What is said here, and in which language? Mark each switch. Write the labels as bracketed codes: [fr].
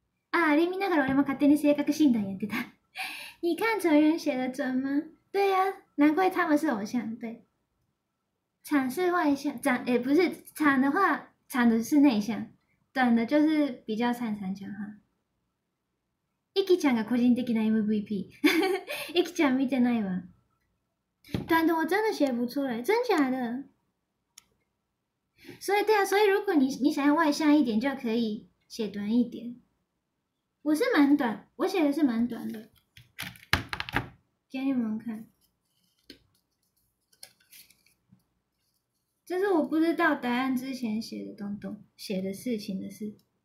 [ja] 啊，リミながら俺も勝手に性格診断やってた。 [zh] 你看成员写的准吗？对呀、啊，难怪他们是偶像。对，长是外向，长也、欸、不是长的话，长的是内向，短的就是比较擅长讲话。 [ja] イキちゃんが個人的な MVP。イキちゃん見てないわ。 [zh] 短的我真的写不出来，真假的？所以对啊，所以如果你想要外向一点，就可以写短一点。我是蛮短，我写的是蛮短的。给你们看，这是我不知道答案之前写的东东，写的事情的事。